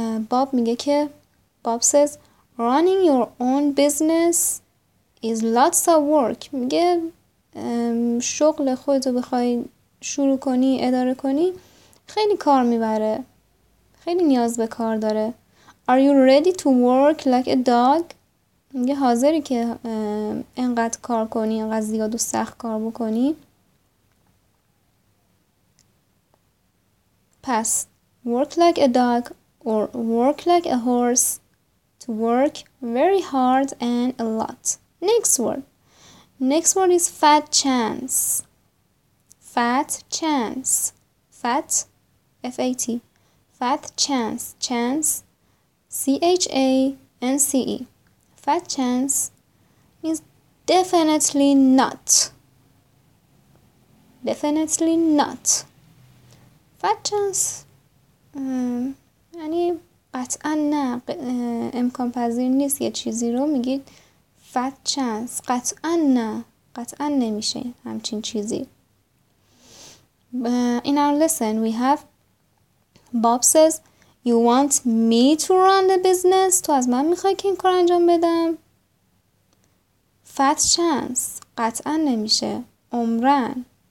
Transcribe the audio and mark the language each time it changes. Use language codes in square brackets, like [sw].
[fa] باب میگه که [en] Bob says running your own business is lots of work. [fa] میگه شغل خودت رو بخوای شروع کنی، اداره کنی، خیلی کار میبره، خیلی نیاز به کار داره. [en] Are you ready to work like a dog? [fa] میگه حاضری که انقدر کار کنی، انقدر زیاد و سخت کار بکنی؟ پس [en] work like a dog or work like a horse to work very hard and a lot. Next word is fat chance. Fat chance. Fat, F-A-T. Fat chance. Chance, C-H-A-N-C-E. Fat chance means definitely not. Definitely not. [fa] Fat chance یعنی قطعا نه، امکان پذیر نیست یه چیزی رو. میگید fat chance، قطعا نه، قطعا نمیشه همچین چیزی. [en] In our lesson we have Bob says you want me to run the business. [fa] تو از من میخوای که این کار انجام بدم؟ fat chance، قطعا نمیشه، عمرن.